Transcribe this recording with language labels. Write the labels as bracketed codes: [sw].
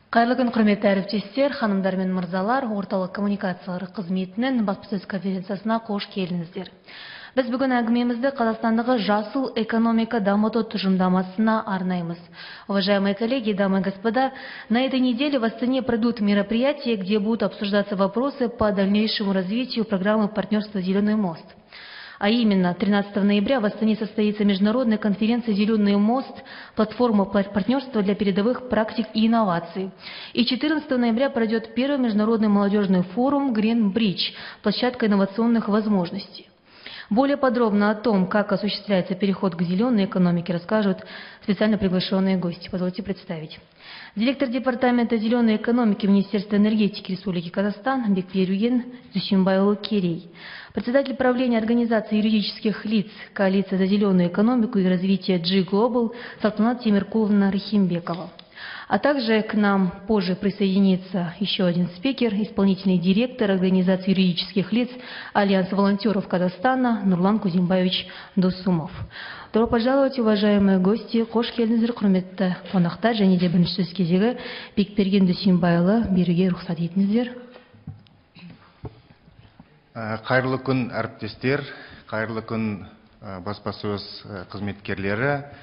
[kk] Қайырлы күн, құрметті әріптестер, ханымдар мен мырзалар, орталық коммуникациялар қызметінің баспасөз конференциясына қош келдіңіздер. Біз бүгін әңгімемізді Қазақстандағы жасыл экономика дамыту тұжырымдамасына арнаймыз. [ru] Уважаемые коллеги, дамы и господа, на этой неделе в Астане пройдут мероприятия, где будут обсуждаться вопросы по дальнейшему развитию программы партнерства «Зеленый мост». А именно, 13 ноября в Астане состоится международная конференция «Зеленый мост. Платформа партнерства для передовых практик и инноваций». И 14 ноября пройдет первый международный молодежный форум «Green Bridge. Площадка инновационных возможностей». Более подробно о том, как осуществляется переход к зеленой экономике, расскажут специально приглашенные гости. Позвольте представить. Директор департамента зеленой экономики Министерства энергетики Республики Казахстан Бекберюген Зусимбайлы Керей. Председатель правления организации юридических лиц Коалиции за зеленую экономику и развитие G-Global Салтанат Темиркуловна Рахимбекова. А также к нам позже присоединится еще один спикер, исполнительный директор организации юридических лиц Альянс волонтеров Казахстана Нурлан Кузимбаевич Досумов. Добро пожаловать, уважаемые гости, [kk] қош келдіңіздер, құрметті қонақтар, және де бірінші сөз кезегі Бекберген Дүсенбайұлы беруге рұқсат етіңіздер. Қайырлы күн, әріптестер, қайырлы күн, баспасөз қызметкерлері.